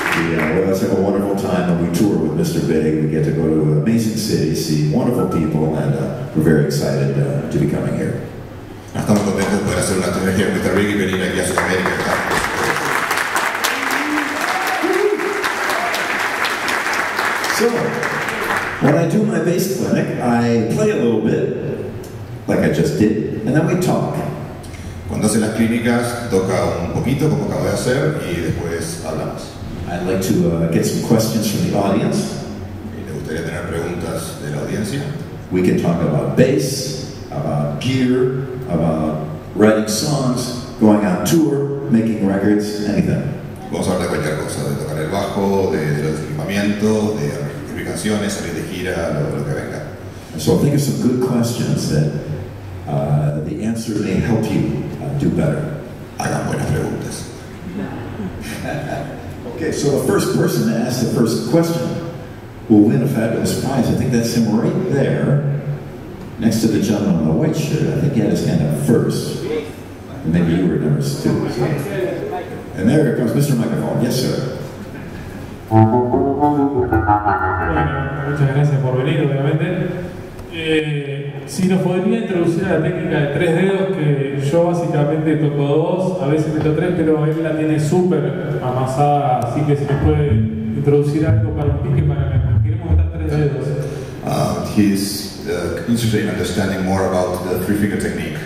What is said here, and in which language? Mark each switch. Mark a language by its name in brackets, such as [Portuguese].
[English] Yeah, well, let's have a wonderful time when we tour with Mr. Big. We get to go to amazing cities, see wonderful people, and we're very excited to be coming here. [Spanish] Estamos contentos de poder hacer una tour aquí en Costa Rica y venir aquí a Sudamérica. [English] So, when I do my bass clinic, I play a little bit, like I just did, and then we talk. [Spanish] Cuando hace las clínicas, toca un poquito, como acabo de hacer, y después hablamos. [English] I'd like to get some questions from the audience. [Spanish] Y me gustaría tener preguntas de la audiencia. [English] We can talk about bass, about gear, about writing songs, going on tour, making records, anything. [Spanish] Vamos a hablar de cualquier cosa, de tocar el bajo, de los equipamientos, de escribir canciones, salir de gira, lo que venga. [English] So I think of some good questions that the answer may help you do better. [Spanish] Hagan buenas preguntas. [English] Okay, so the first person to ask the first question will win a fabulous prize. I think that's him right there. Next to the gentleman in the white shirt, I think he had his hand up first. And maybe you were nervous too. So. And there comes Mr. Microphone. Yes, sir. [Spanish] Muchas gracias por venir, obviamente. Si nos podría introducir a la técnica de tres dedos, que yo básicamente toco dos, a veces meto tres, pero él la tiene súper amasada, así que si nos puede introducir algo para un pique para acá. Queremos meter tres dedos. [English] He's interested in understanding more about the three-finger technique.